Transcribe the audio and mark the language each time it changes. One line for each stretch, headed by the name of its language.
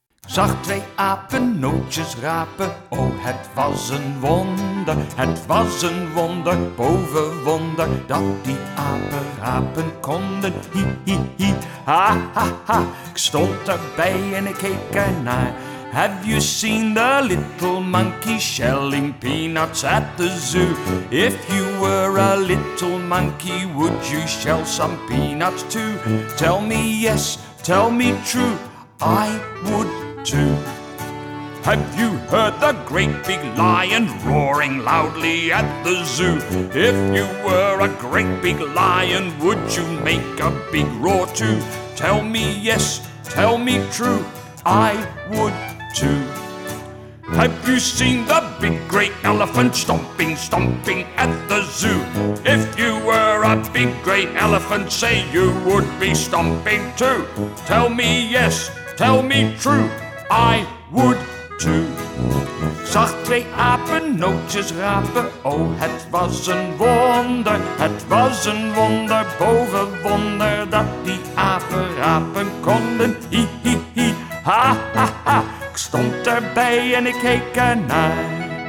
Dutch: Zag twee apen nootjes rapen. Oh, het was een wonder. Het was een wonder, boven wonder. Dat die apen rapen konden. Hi, hi, hi. Ha, ha, ha. Ik stond erbij en ik keek ernaar.
English: Have you seen the little monkey shelling peanuts at the zoo? If you were a little monkey, would you shell some peanuts too? Tell me yes, tell me true, I would too. Have you heard the great big lion roaring loudly at the zoo? If you were a great big lion, would you make a big roar too? Tell me yes, tell me true, I would too. Have you seen the big great elephant stomping, stomping at the zoo? If you were a big great elephant, say you would be stomping too. Tell me yes, tell me true, I would too.
Dutch: Zag twee apen nootjes rapen. Oh, het was een wonder. Het was een wonder, boven wonder. Dat die apen rapen konden. Hi, hi, hi, ha, ha, ha. Ik stond erbij en ik keek ernaar.